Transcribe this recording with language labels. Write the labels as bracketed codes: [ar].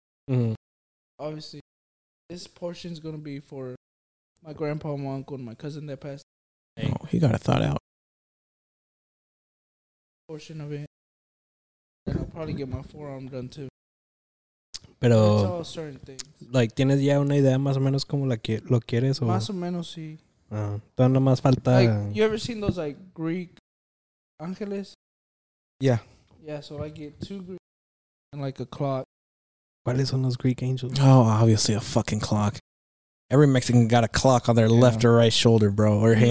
[en] Mm-hmm. Obviously, this portion is going to be for my grandpa, my uncle, and my cousin that passed. Hey. Oh, he got a thought out. Portion of it. And I'll probably get my forearm done, too. [es] Pero, [en] it's all certain things. [es] Like, ¿tienes ya una idea más o menos como lo quieres? O? Más o menos, sí. Todavía no más falta... [en] Like, you ever seen those, like, Greek ángeles? Yeah. Yeah, so I get two Greek and, like, a clock. [es] ¿Cuáles son los [en] Greek angels? Oh, obviously a fucking clock. Every Mexican got a clock on their left or right shoulder, bro, or hand.